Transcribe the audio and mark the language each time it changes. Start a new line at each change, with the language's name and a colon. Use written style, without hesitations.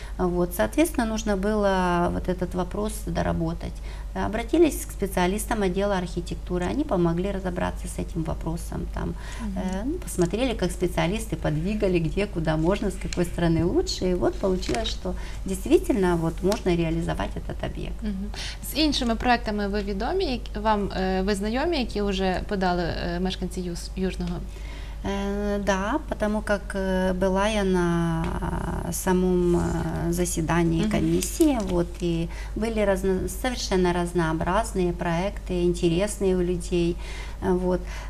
Russian: Вот, соответственно, нужно было вот этот вопрос доработать. Обратились к специалистам отдела архитектуры, они помогли разобраться с этим вопросом. Там, угу. Посмотрели, как специалисты подвигали, где, куда можно, с какой стороны лучше. И вот получилось, что действительно вот, можно реализовать этот объект. Угу.
Ukrainian: С іншими проектами вы відомі, вам вы знайомі, які уже подали мешканці Южного?
Russian: Да, потому как была я на самом заседании комиссии, угу. Вот, и были совершенно разнообразные проекты, интересные у людей. Вот.